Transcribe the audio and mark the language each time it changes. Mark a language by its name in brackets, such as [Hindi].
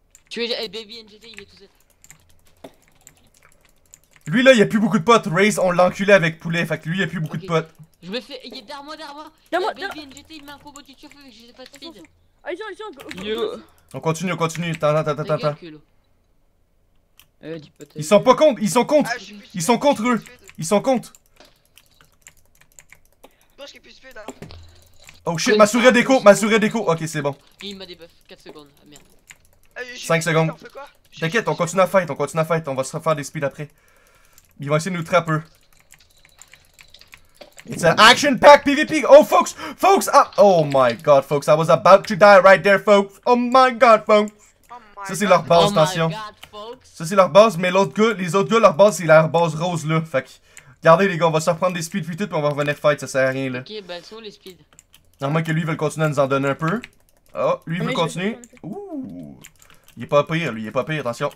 [French] Tu es. Hey, baby NGT, il est tout seul. Lui là, il y a plus beaucoup de potes. Raze, on l'a enculé avec poulet, fait que lui, il y a plus beaucoup de potes. Je me fais. Il est derrière moi, derrière moi. Baby NGT, il met un combo du turf, mais j'ai pas de speed. Allez, viens, viens, go. Yo. On continue, on continue. Attends, attends, attends, attends. Dis ils sont pas contre, ils sont contre, ah, ils sont contre eux, ils sont contre. Moi, plus speed, [English] oh shit, [French] ma souris déco, ma souris déco, ok c'est bon. Il m'a debuff, 4 secondes, ah, merde. 5 secondes. T'inquiète, on continue à fight, on continue à fight, on va se refaire des speeds après. Ils vont essayer de nous trapper. [English] It's an action pack PvP. Oh folks, folks, oh my god folks, I was about to die right there folks. Oh my god folks. [French] Ça c'est leur base, attention. Ça c'est leur base, mais l'autre gars, les autres gars, leur base c'est leur base rose là. Fait que, regardez les gars, on va se reprendre des speeds puis tout, puis on va revenir fight, ça sert à rien là. Ok, bah c'est où les speeds? Normalement que lui veut continuer à nous en donner un peu. Oh, lui veut continuer. Ouh, il est pas pire, lui, il est pas pire, attention.